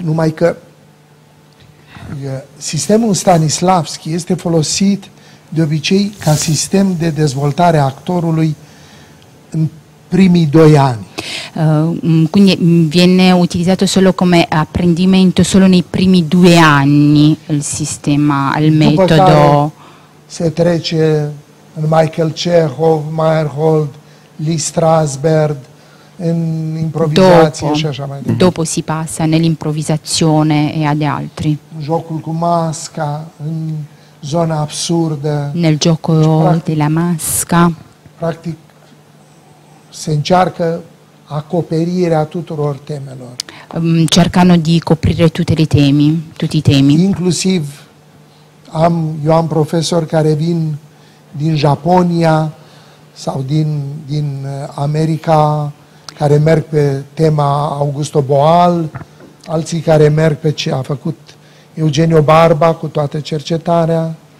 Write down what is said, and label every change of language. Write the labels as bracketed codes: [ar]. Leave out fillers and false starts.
[ro] Numai că sistemul Stanislavski este folosit de obicei ca sistem de dezvoltare a actorului în primii 2 ani. [it] Quindi viene utilizzato solo come apprendimento solo nei primi 2 anni il sistema, il metodo. [ro] Se trece în Michael Chekhov, Meyerhold, Lee Strasberg, în improvizație [it] dopo, [ro] și așa mai departe. [it] Dopo si passa nell'improvvisazione e ad altri. [ro] Jocul cu masca, în zona absurdă. [it] Nel gioco della masca. [ro] Practic se încearcă acoperirea tuturor temelor. [it] Cercano di coprire tutte le temi, tutti i temi. [ro] Inclusiv eu am profesori care vin din Japonia sau din America, care merg pe tema Augusto Boal, alții care merg pe ce a făcut Eugenio Barba cu toată cercetarea.